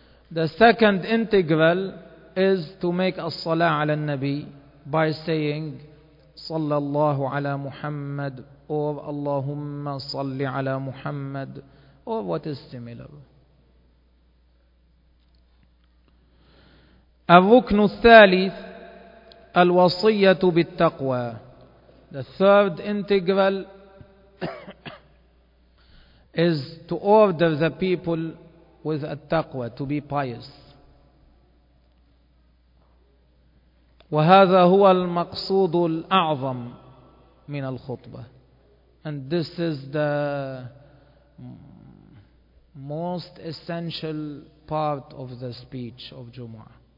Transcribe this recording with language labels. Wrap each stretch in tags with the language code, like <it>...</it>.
<en>The second integral is to make as-salah ala an-nabi by saying sallallahu ala Muhammad or Allahumma salli ala Muhammad or what is similar.</en> <ar>الركن الثالث الوصية بالتقوى.</ar> <en>The third integral is to order the people with التقوى, to be pious.</en> <ar>وهذا هو المقصود الأعظم من الخطبة.</ar> <en>And this is the most essential part of the speech of Jumu'ah.</en>